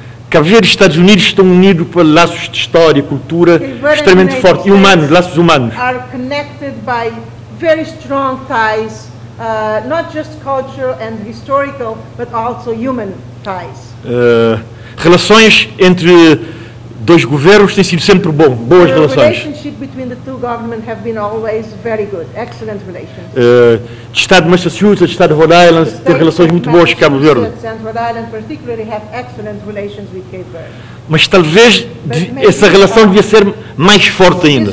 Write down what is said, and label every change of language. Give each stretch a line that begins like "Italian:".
Portuguese: Cabo Verde e Estados Unidos estão unidos por laços de história e cultura extremamente fortes e humanos, laços humanos.
English: Are connected by very strong ties, not just cultural and historical, but also human ties.
Portuguese: Relações entre dois governos têm sido sempre boas relações.
English: The relationship between the two governments have been always very good, excellent relations.
Portuguese: De Estado de Massachusetts, de Estado de Rhode Island, têm relações muito boas com Cabo Verde.
English: States and Rhode Island particularly have excellent relations with Cape Verde.
Portuguese: Mas talvez essa relação devia ser mais forte ainda.